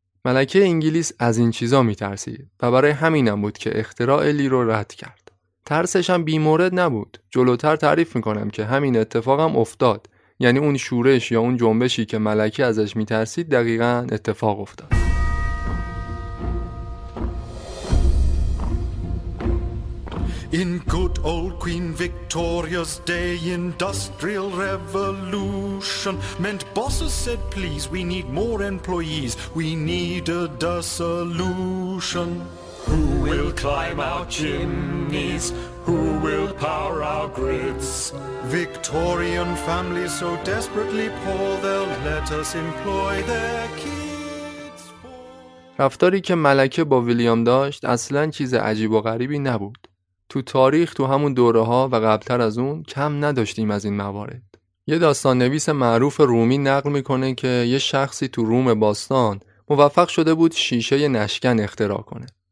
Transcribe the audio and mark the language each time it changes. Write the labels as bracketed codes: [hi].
[fa] ملکه انگلیس از این چیزا میترسید و برای همینم بود که اختراع لی رو رد کرد. ترسش هم بی‌مورد نبود. جلوتر تعریف میکنم که همین اتفاق هم افتاد، یعنی اون شورش یا اون جنبشی که ملکه ازش میترسید دقیقاً اتفاق افتاد. [en] In good old Queen Victoria's day, industrial revolution meant bosses said, please, we need more employees, we needed a solution. Who will climb our chimneys? Who will power our grids? Victorian families so desperately poor, they'll let us employ their kids for... [fa] رفتاری که ملکه با ویلیام داشت اصلا چیز عجیب و غریبی نبود. تو تاریخ تو همون دوره ها و قبلتر از اون کم نداشتیم از این موارد. یه داستان نویس معروف رومی نقل میکنه که یه شخصی تو روم باستان موفق شده بود شیشه نشکن اختراع کنه.